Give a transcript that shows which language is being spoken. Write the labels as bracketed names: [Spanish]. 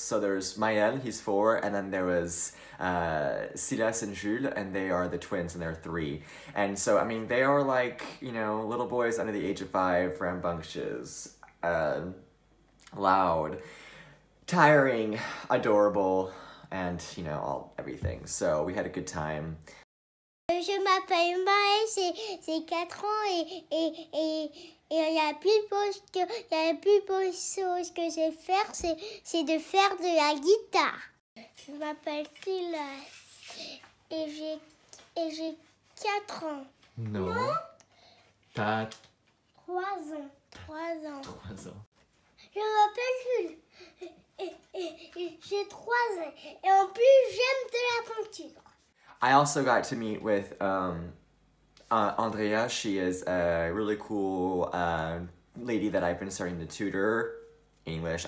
[English] So there's Mayel, he's 4, and then there was Silas and Jules, and they are the twins, and they're 3. And so, I mean, they are like, you know, little boys under the age of 5, rambunctious, loud, tiring, adorable, and, you know, all everything. So we had a good time. [French] Je m'appelle Maël, j'ai 4 ans et la plus beau chose que j'ai faire, c'est de faire de la guitare. Je m'appelle Silas et j'ai 4 ans. Non. T'as 3 ans. 3 ans. 3 ans. Je m'appelle Jules. J'ai 3 ans et en plus j'aime de la peinture. [English] I also got to meet with Andrea. She is a really cool lady that I've been starting to tutor English.